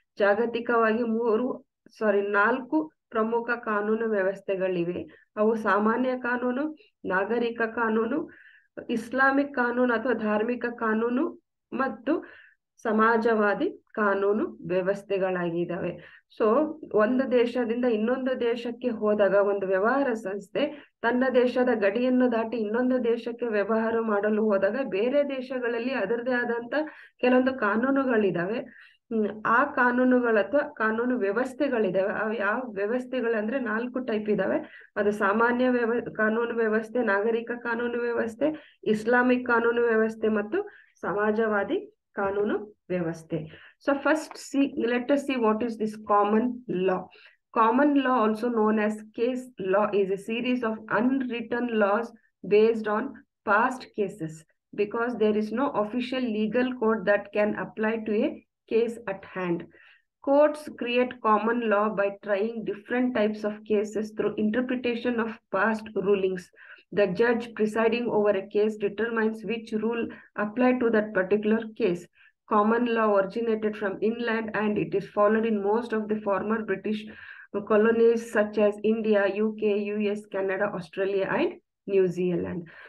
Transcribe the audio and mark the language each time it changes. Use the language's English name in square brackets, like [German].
[Kannada] Jagatikavagi Nalku Pramukha Kanunu Vyavasthegalive. Avu Samanya Kanunu, Nagarika Kanunu, Islamic Kanunu Athava Dharmika Kanunu Mattu ಸಮಾಜವಾದಿ ಕಾನೂನು ವ್ಯವಸ್ಥೆಗಳಾಗಿದ್ದಾವೆ. So ಒಂದು ದೇಶದಿಂದ ಇನ್ನೊಂದು ದೇಶಕ್ಕೆ ಹೋದಾಗ ಒಂದು ವ್ಯವಹಾರ ಸಂಸ್ಥೆ ತನ್ನ ದೇಶದ ಗಡಿಯನ್ನು ದಾಟಿ ಇನ್ನೊಂದು ದೇಶಕ್ಕೆ ವ್ಯವಹಾರ ಮಾಡಲು ಹೋದಾಗ ಬೇರೆ ದೇಶಗಳಲ್ಲಿ ಅದರದೇ ಆದಂತ ಕೆಲವೊಂದು ಕಾನೂನುಗಳಿದ್ದಾವೆ. ಆ ಕಾನೂನುಗಳ ಅಥವಾ ಕಾನೂನು ವ್ಯವಸ್ಥೆಗಳಿದ್ದಾವೆ. ಆ ಯಾವ ವ್ಯವಸ್ಥೆಗಳು ಅಂದ್ರೆ ನಾಲ್ಕು ಟೈಪ್ ಇದಾವೆ. ಅದು ಸಾಮಾನ್ಯ ಕಾನೂನು ವ್ಯವಸ್ಥೆ, ನಾಗರಿಕ ಕಾನೂನು ವ್ಯವಸ್ಥೆ, ಇಸ್ಲಾಮಿಕ್ ಕಾನೂನು ವ್ಯವಸ್ಥೆ ಮತ್ತು ಸಮಾಜವಾದಿ ಕಾನೂನು ವ್ಯವಸ್ಥೆ. [English] So first see let see what is this common law. Common law also known as case law is a series of unwritten laws based on past cases because there is no official legal code that can apply to a case at hand. Courts create common law by trying different types of cases through interpretation of past rulings. The judge presiding over a case determines which rule apply to that particular case. Common law originated from England and it is followed in most of the former British colonies such as India, UK, US, Canada, Australia and New Zealand.